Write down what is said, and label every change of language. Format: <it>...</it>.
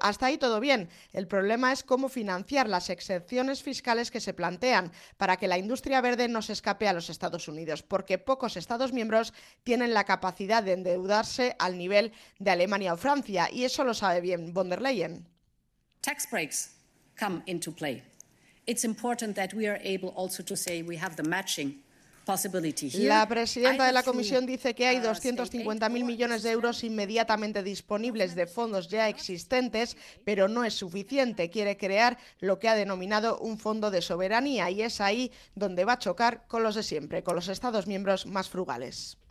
<es>Hasta ahí todo bien, el problema es cómo financiar las exenciones fiscales que se plantean para que la industria verde no se escape a los Estados Unidos, porque pocos Estados miembros tienen la capacidad de endeudarse al nivel de Alemania o Francia, y eso lo sabe bien von der Leyen.</es> <en>Tax breaks come into play. It's important that we are able also to say we have the matching.</en> <es>La presidenta de la Comisión dice que hay 250.000 millones de euros inmediatamente disponibles de fondos ya existentes, pero no es suficiente. Quiere crear lo que ha denominado un fondo de soberanía y es ahí donde va a chocar con los de siempre, con los Estados miembros más frugales.</es>